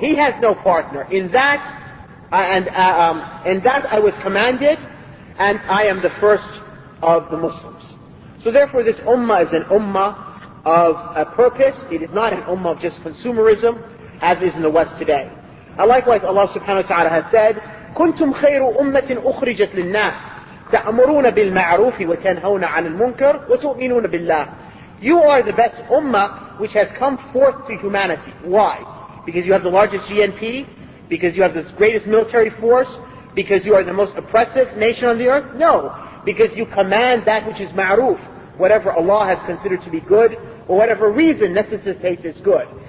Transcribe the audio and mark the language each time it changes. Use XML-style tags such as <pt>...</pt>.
<en>He has no partner. In that I was commanded, and I am the first of the Muslims. So therefore this ummah is an ummah of a purpose. It is not an ummah of just consumerism, as is in the West today. And likewise, Allah subhanahu wa ta'ala has said,</en> <ar>كُنْتُمْ خَيْرُ أُمَّةٍ أُخْرِجَتْ لِلنَّاسِ تَأْمُرُونَ بِالْمَعْرُوفِ وَتَنْهَوْنَ عَنِ الْمُنْكَرِ وَتُؤْمِنُونَ بِاللَّهِ</ar> <en>You are the best ummah which has come forth to humanity. Why? Because you have the largest GNP, because you have the greatest military force, because you are the most oppressive nation on the earth? No. Because you command that which is ma'ruf, whatever Allah has considered to be good, or whatever reason necessitates is good.</en>